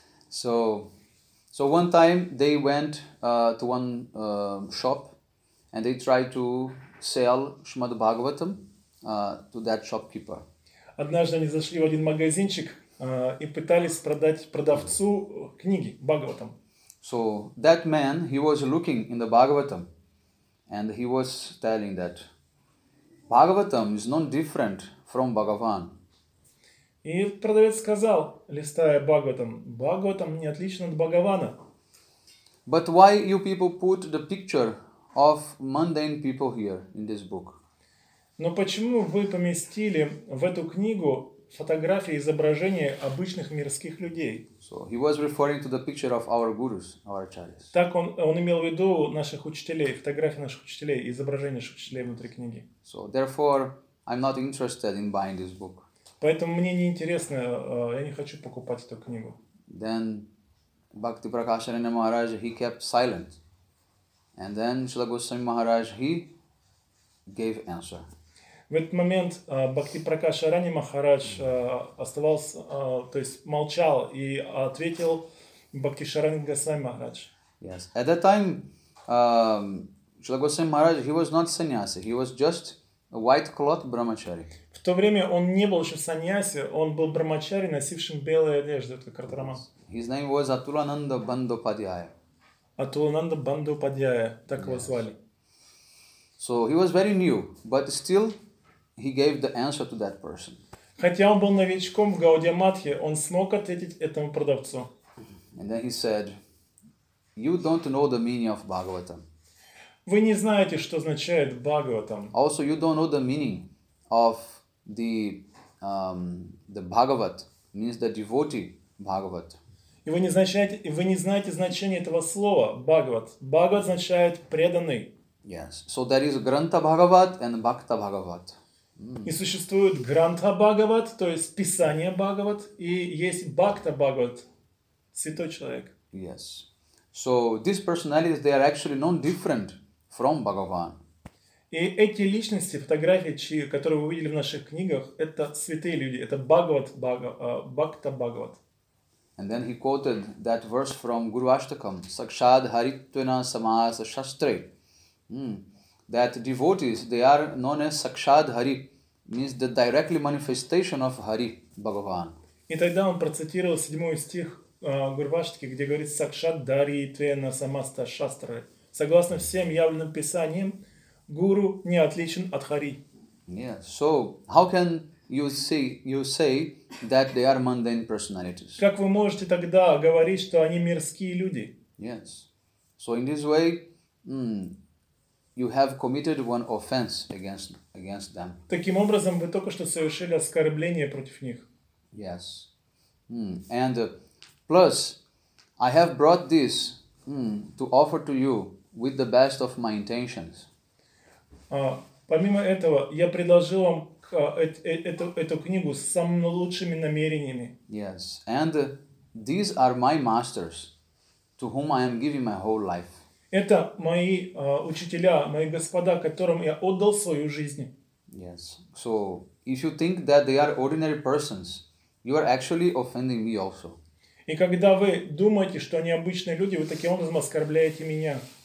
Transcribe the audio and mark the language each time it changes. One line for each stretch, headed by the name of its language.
English: So one time they went to one shop and they tried to sell Shrimad Bhagavatam to that shopkeeper.
Russian: Однажды они зашли в один магазинчик и пытались продать продавцу книги Бхагаватам.
English: So that man, he was looking in the Bhagavatam, and he was telling that Bhagavatam is not different from Bhagavan.
Russian: И продавец сказал, листая Бхагаватам, Бхагаватам не отлично от Бхагавана.
English: But why you people put the picture of mundane people here in this book?
Russian: Но почему вы поместили в эту книгу фотографии и изображения обычных мирских людей?
English: So he was referring to the picture of our gurus, our acharyas.
Russian: Так он имел в виду наших учителей, фотографии наших учителей, изображения наших учителей внутри книги.
English: So therefore, I'm not interested in buying this book.
Russian: Поэтому мне не интересно, я не хочу покупать эту книгу.
English: Then Bhakti Prakash Aranya Maharaj he kept silent, and then Srila Goswami Maharaj he gave answer.
Russian: В этот момент Бхакти Пракаш Арани Махарадж оставался, то есть молчал и ответил Бхакти Шаранг Госвами Махарадж.
English: Yes. At that time, Шрила Госвами Махарадж, he was not sannyasi. He was just a white cloth brahmachari.
Russian: В то время он не был еще саньяси, он был брахмачари, носившим белые одежды, это картарама.
English: His name was Атулананда Бандопадхьяя.
Russian: Атулананда Бандопадхьяя, так
English: yes.
Russian: его звали.
English: So he was very new, but still he gave the answer to that person.
Russian: Хотя он был новичком в Гаудия Матхе, он смог ответить этому продавцу.
English: And then he said, "You don't know the meaning of Bhagavatam."
Russian: Вы не знаете, что означает Бхагаватам.
English: Also, you don't know the meaning of the Bhagavat means the devotee Bhagavat.
Russian: И вы не знаете значение этого слова Бхагават. Бхагават означает преданный.
English: Yes. So there is Grantha Bhagavat and Bhakta Bhagavat.
Russian: И существует Grantha Bhagavat, то есть Писание Бхагават, и есть Bhakta Bhagavat, святой человек.
English: Yes. So these personalities, they are actually not different from Bhagavan.
Russian: И эти личности, фотографии, которые вы видели в наших книгах, это святые люди. Это Бхагавад, Бхагавад.
English: And then he quoted that verse from Guru Ashtakam, Sakshad Haritvena Samas Shastre. That devotees, they are known as Sakshad Hari, means the directly manifestation of Hari, Bhagavan.
Russian: И тогда он процитировал седьмой стих Гуру Ашштаки, где говорит Сакшад Даритвена Самаста Шастры. Согласно всем явленным писаниям, Гуру не отличен от Хари.
English: Yeah. So how can you say that they are mundane personalities?
Russian: Как вы можете тогда говорить, что они мирские люди?
English: Yes. So in this way, you have committed one offense against them.
Russian: Таким образом, вы только что совершили оскорбление против них.
English: Yes. And plus, I have brought this to offer to you with the best of my intentions.
Russian: Помимо этого, я предложил вам эту книгу с самыми лучшими намерениями.
English: Yes. And these are my masters, to whom I am giving my whole life.
Russian: Это мои учителя, мои господа, которым я отдал свою жизнь.
English: Yes. So, if you think that they are ordinary persons, you are actually offending me also.
Russian: И когда вы думаете, что они обычные люди, вы таким образом оскорбляете меня.